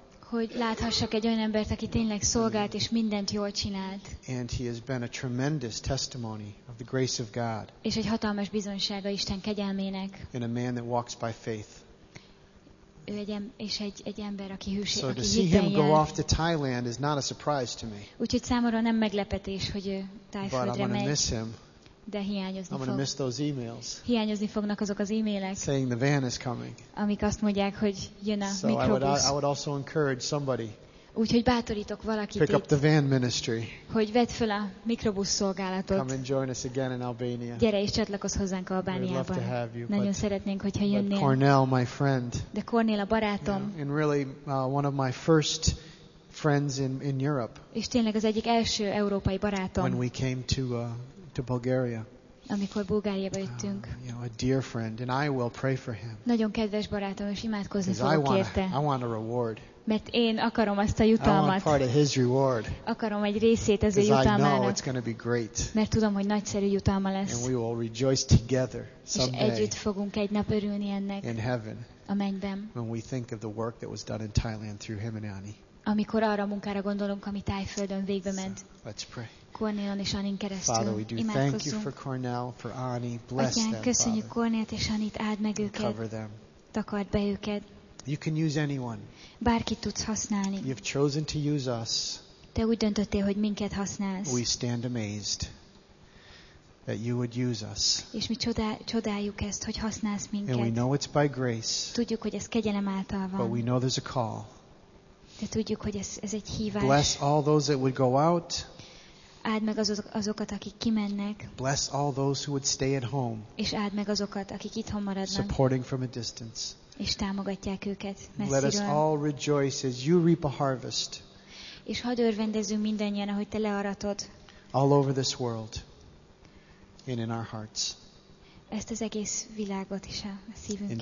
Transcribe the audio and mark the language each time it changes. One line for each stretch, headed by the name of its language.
Hungarian: Hogy láthassak egy olyan embert, aki tényleg szolgált és mindent jól csinált.
English: And he has been a tremendous testimony of the grace of God.
Hungarian: És egy hatalmas bizonysága Isten kegyelmének.
English: And a man that walks by faith.
Hungarian: Ő egy ember, aki hűség,
English: so
Hungarian: aki
English: to see him go off to Thailand is not a surprise to me.
Hungarian: Úgyhogy számomra nem meglepetés, hogy ő Thaiföldre megy. De hiányozni fog.
English: Miss those emails.
Hungarian: Hiányozni fognak azok az e-mailek.
English: Saying the van is coming.
Hungarian: Amik azt mondják, hogy jön a mikrobusz.
English: So I would also encourage somebody.
Hungarian: Úgyhogy bátorítok valakit.
English: Pick up the van ministry.
Hungarian: Hogy vedd fel a mikrobusz szolgálatot.
English: Come and join us again in Albania.
Hungarian: Gyere és csatlakozz hozzánk Albániában.
English: We'd love to have you.
Hungarian: Nagyon szeretnénk, hogyha jönnél.
English: Cornel, my friend.
Hungarian: De Cornel a barátom.
English: Yeah. And really one of my first friends in Europe.
Hungarian: És tényleg az egyik első európai barátom.
English: When we came to Bulgaria.
Hungarian: Amikor Bulgáriába jöttünk.
English: You know, a dear friend, and I will pray for him.
Hungarian: Nagyon kedves barátom, és imádkozni fogok érte.
English: I want a reward.
Hungarian: Mert én akarom azt a jutalmat.
English: I want part of his reward.
Hungarian: Akarom egy részét az ő jutalmának.
English: I know it's going to be great.
Hungarian: Mert tudom, hogy nagyszerű jutalma lesz.
English: And we will rejoice together someday.
Hungarian: És együtt fogunk egy nap örülni ennek.
English: In heaven.
Hungarian: A mennyben.
English: When we think of the work that was done in Thailand through him and Annie.
Hungarian: Amikor arra a munkára gondolunk, ami Thaiföldön végbe ment.
English: So, let's pray.
Hungarian: Cornélon és Annin keresztül.
English: Father, we do thank you for Cornel, for Annie. Bless them, Father.
Hungarian: Köszönjük Cornélt és Annit, áld meg őket.
English: Cover them.
Hungarian: Takard be őket.
English: You can use anyone.
Hungarian: Bárkit tudsz használni.
English: You've chosen to use us.
Hungarian: Te úgy döntöttél, hogy minket használsz.
English: We stand amazed that you would use us.
Hungarian: És mi csodáljuk ezt, hogy használsz minket.
English: And we know it's by grace.
Hungarian: Tudjuk, hogy ez kegyelem által van.
English: But we know there's a call.
Hungarian: De tudjuk, hogy ez egy hívás.
English: Bless all those that would go out.
Hungarian: Áld meg azokat, akik kimennek.
English: Bless all those who would stay at home.
Hungarian: És áld meg azokat, akik itthon maradnak.
English: Supporting from a distance.
Hungarian: És támogatják őket messziről.
English: Let us all rejoice as you reap a harvest.
Hungarian: És hadd örvendezzünk mindannyian, ahogy te learatod.
English: All over this world and in our hearts.
Hungarian: Ezt az egész világot is a szívünket.